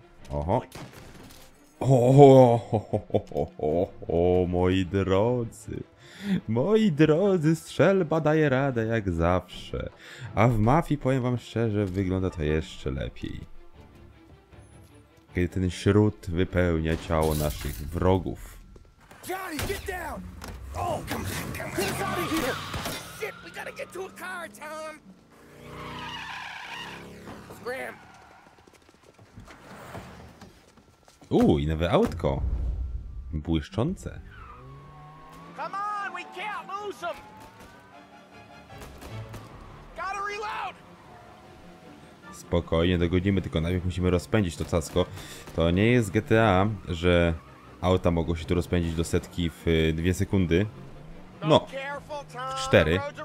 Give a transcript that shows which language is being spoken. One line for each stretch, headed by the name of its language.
Polish: Oho. O, moi drodzy. Moi drodzy, strzelba daje radę jak zawsze. A w mafii, powiem wam szczerze, wygląda to jeszcze lepiej. Kiedy ten śród wypełnia ciało naszych wrogów.
English: Johnny, get down! Oh, come on. Get us out of here! Shit, we gotta get to a car, Tom! Scram!
Polish: I nowe autko. Błyszczące.
English: Come on, we can't lose them! Gotta reload!
Polish: Spokojnie, dogodzimy, tylko najpierw musimy rozpędzić to casko. To nie jest GTA, że auta mogą się tu rozpędzić do setki w 2 sekundy. No, w 4.